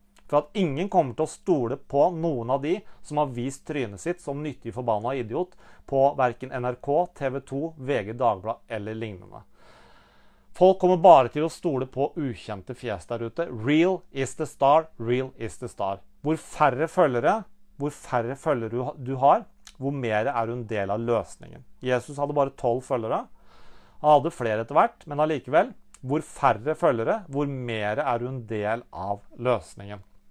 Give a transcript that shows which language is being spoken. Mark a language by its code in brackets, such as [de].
[no] For at ingen kommer til å stole på noen av de som har vist trynet sitt som nyttig forbanna idiot på hverken NRK, TV2, VG, Dagblad eller lignende. Folk kommer bare til å stole på ukjente fjes der ute. [en] Real is the star, real is the star. [no] Hvor færre følgere du har, hvor mer er du en del av løsningen. Jesus hadde bare 12 følgere. Han hadde flere etter hvert, men allikevel, hvor færre følgere, hvor mer er du en del av løsningen.